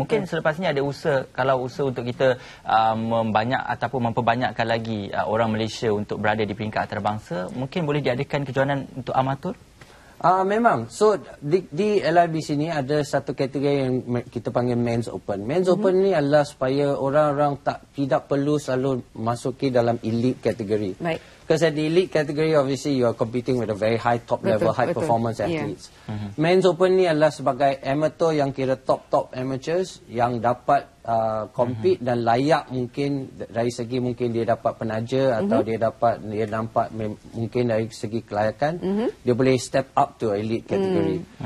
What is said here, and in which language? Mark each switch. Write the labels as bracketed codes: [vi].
[ms] mungkin selepas ini ada usaha untuk kita membanyak ataupun memperbanyakkan lagi orang Malaysia untuk berada di peringkat antarabangsa, mungkin boleh diadakan kejohanan untuk amatur? Memang. So, di LIB sini ada satu kategori yang kita panggil Men's Open. Men's Open ni adalah supaya orang-orang tidak perlu selalu masuki dalam elite kategori. Baik. [en] Because at the elite category, obviously, you are competing with a very high top level, high performance athletes. Yeah. Mm-hmm. [ms] Men's Open ni adalah sebagai amateur yang kira top amateurs yang dapat [en] compete [ms] dan layak mungkin dari segi mungkin dia dapat penaja atau dia nampak mungkin dari segi kelayakan, dia boleh [en] step up to elite category.